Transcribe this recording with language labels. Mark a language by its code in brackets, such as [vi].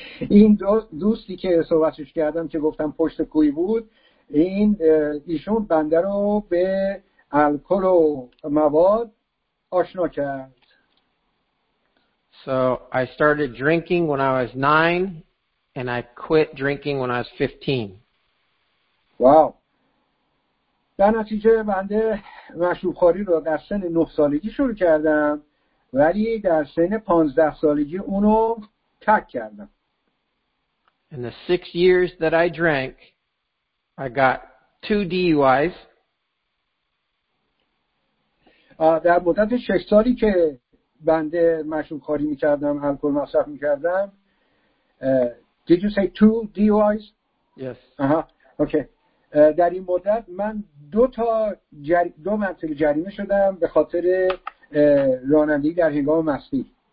[fa] این دوستی که صحبتش کردم که گفتم پشت کوی بود این ایشون بنده رو به الکل و مواد آشنا کرد. [en] So I started drinking when I was 9 and I quit drinking when I was 15. Wow. [fa] در نتیجه بنده مشروب‌خواری رو در سن 9 سالگی شروع کردم ولی در سن 15 سالگی اونو ترک کردم. [en] In the 6 years that I drank, I got 2 DUIs. [fa] در مدت 6 سالی که بنده مشروب‌خواری می‌کردم، الکل مصرف می‌کردم، [en] did you say 2 DUIs? Yes. Okay. [fa] در این مدت من دو مرتبه جریمه شدم به خاطر رانندگی در هنگام مستی.